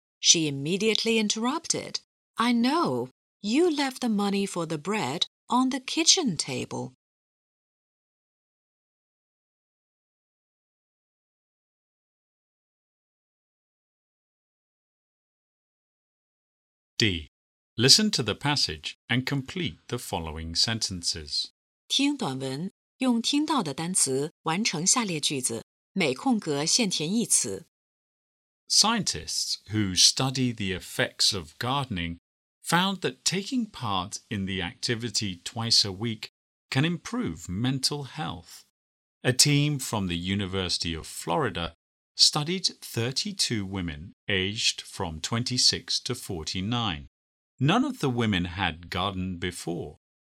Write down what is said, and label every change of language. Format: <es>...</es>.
<en>She immediately interrupted. I know, you left the money for the bread on the kitchen table. D. Listen to the passage and complete the following sentences.</en> <zh>听短文，用听到的单词完成下列句子。每空格限填一词。</zh> <en>Scientists who study the effects of gardening found that taking part in the activity twice a week can improve mental health. A team from the University of Florida studied 32 women aged from 26 to 49. None of the women had gardened before,</en>